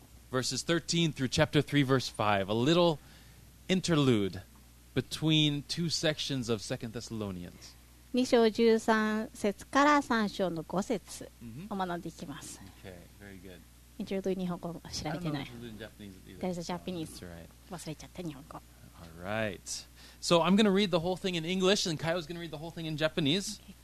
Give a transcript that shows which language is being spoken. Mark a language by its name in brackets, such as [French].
[English] verses 13 through chapter 3 verse 5, a little interlude between two sections of Second Thessalonians. [Japanese] 2章13節から3章の5節を学んでいきます。インテルド日本語を調べてない。 [English] There's a Japanese. [Japanese] 忘れちゃった日本語。 [English] All right. So I'm going to read the whole thing in English and Kaio is going to read the whole thing in Japanese.